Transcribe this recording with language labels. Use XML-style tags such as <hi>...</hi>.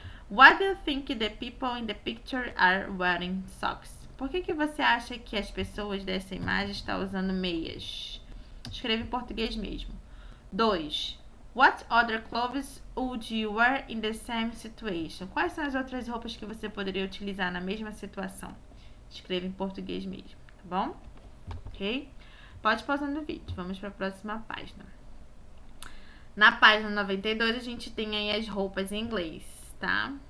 <en>What do you think the people in the picture are wearing socks?</en> <pt>Por que que você acha que as pessoas dessa imagem estão usando meias? Escreva em português mesmo. 2.</pt> <en>What other clothes would you wear in the same situation?</en> <pt>Quais são as outras roupas que você poderia utilizar na mesma situação? Escreva em português mesmo, tá bom? Ok? Pode pausar no vídeo. Vamos para a próxima página. Na página 92, a gente tem aí as roupas em inglês, tá?</pt>